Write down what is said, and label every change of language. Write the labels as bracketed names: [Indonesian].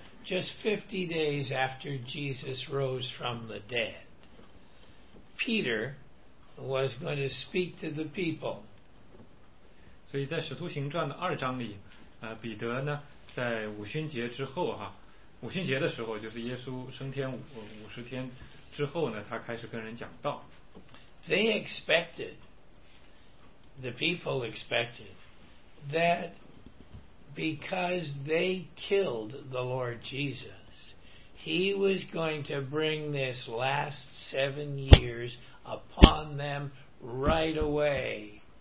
[English] just 50 days after Jesus rose from the dead, Peter was going to speak to the people. [Chinese] 所以在使徒行传的二章里，彼得呢，在五旬节之后哈，五旬节的时候，就是耶稣升天五十天之后呢，他开始跟人讲道。 [English] They expected, the people expected, that because they killed the Lord Jesus, he was going to bring this last 7 years upon them right away.